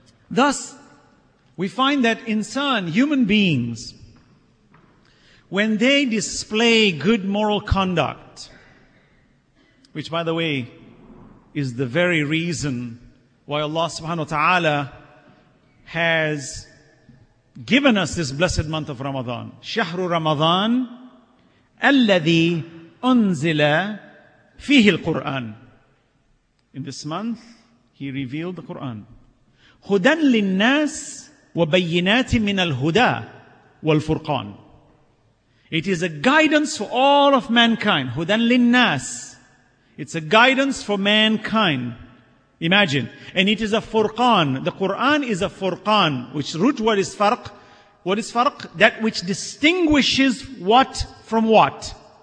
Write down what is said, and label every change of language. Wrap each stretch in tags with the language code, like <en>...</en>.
<en>Thus, we find that insan, human beings, when they display good moral conduct, which by the way is the very reason why Allah subhanahu wa ta'ala has given us this blessed month of Ramadan.</en> <ar>شهر رمضان الذي أنزل فيه القرآن.</ar> <en>In this month, He revealed the Quran.</en> <ar>هدى للناس وبينات من الهدى والفرقان.</ar> <en>It is a guidance for all of mankind.</en> <ar>هدى للناس.</ar> <en>It's a guidance for mankind. Imagine. And it is a furqan. The Quran is a furqan, which root word is farq. What is farq? That which distinguishes what from what.</en>